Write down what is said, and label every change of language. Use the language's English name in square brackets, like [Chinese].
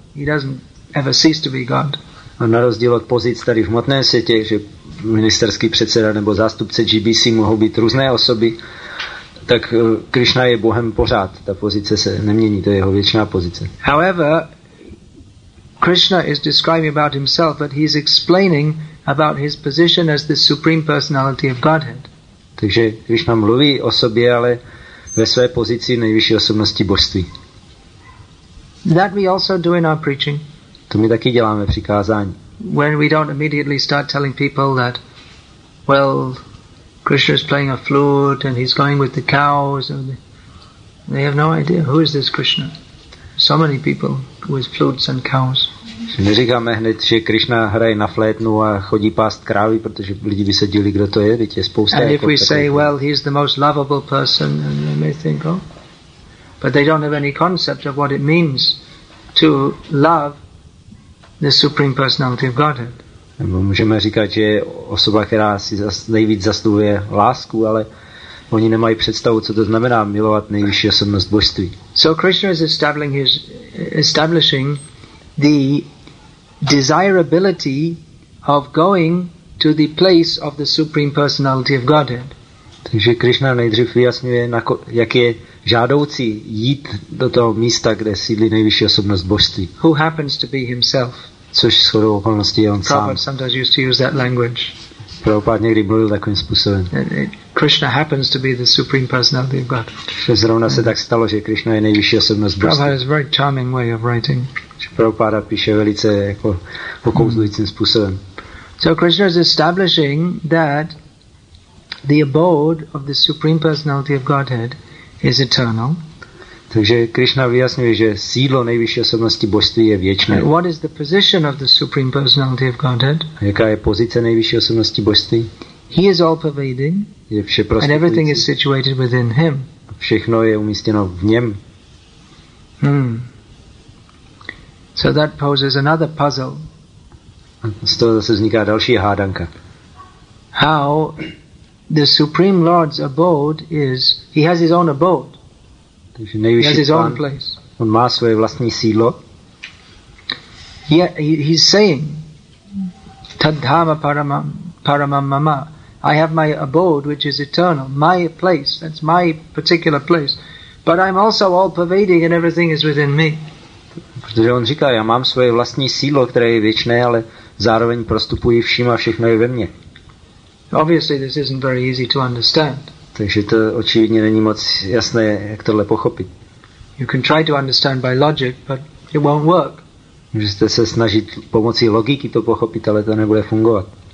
[English] He doesn't ever cease to be God. [Czech] A na rozdíl od pozic tady v hmotné světě, že ministerský předseda nebo zástupce GBC mohou být různé osoby, tak Krishna je Bohem pořád. Ta pozice se nemění, to je jeho věčná pozice. [English] However, Krishna is describing about himself, but he's explaining about his position as the supreme personality of Godhead. [Czech] Takže Krishna mluví o sobě, ale ve své pozici nejvyšší osobnosti božství. [English] That we also do in our preaching. [Czech] To my taky děláme při kázání. [English] When we don't immediately start telling people that, well, Krishna is playing a flute and he's going with the cows, and they have no idea who is this Krishna. So many people with flutes and cows. [Czech] Neříkáme hned, že Krishna hraje na flétnu a chodí pást krávy, protože lidi by se dělili, kdo to je, teď je spousta. [English] And if we say, well, he's the most lovable person, and they may think, oh. But they don't have any concept of what it means to love the supreme personality of Godhead. [Czech] Nebo můžeme říkat, že je osoba, která si nejvíc zastupuje lásku, ale oni nemají představu, co to znamená milovat nejvyšší osobnost božství. [English] So Krishna is establishing the desirability of going to the place of the supreme personality of Godhead. [Czech] Takže Krishna nejdřív vyjasňuje, jak je žádoucí jít do toho místa, kde sídlí nejvyšší osobnost božství. [English] Who happens to be himself? [Czech] Což shodou okolností je on sám. [English] Prabhupada sometimes used to use that language. [Czech] Prabhupada někdy mluvil takovým způsobem. [English] Krishna happens to be the supreme personality of God. [Czech] Zrovna se tak stalo, že Krishna je nejvyšší osobnost božství. [English] Prabhupada has a very charming way of writing. [Czech] Prabhupada píše velice jako okouzlujícím způsobem. [English] So Krishna is establishing that the abode of the supreme personality of Godhead is eternal. [Czech] Takže Krishna vyjasňuje, že sídlo nejvyšší osobnosti božství je věčné. [English] What is the position of the supreme personality of Godhead? [Czech] Jaká je pozice nejvyšší osobnosti božství? [English] He is all pervading. [Czech] Je všeprostupující. [English] And everything is situated within him. [Czech] Všechno je umístěno v něm. [English] So that poses another puzzle. [Czech] Z toho zase vzniká další hádanka. [English] How the supreme lord's abode is, he has his own abode. [Czech] Takže nejvyšší [English] he has his own place. [Czech] On má svoje vlastní sídlo. [English] He's saying [Sanskrit] tadhama paramam mama, [English] I have my abode which is eternal, my place, that's my particular place, but I'm also all pervading and everything is within me. [Czech] Protože on říká, já mám svoje vlastní sídlo, které je věčné, ale zároveň prostupuji vším a všechno je ve mně. [English] Obviously this isn't very easy to understand. [Czech] Takže to očividně není moc jasné, jak tohle pochopit. [English] You can try to understand by logic, but it won't work. [Czech] Můžete se snažit pomocí logiky to pochopit, ale to nebude fungovat.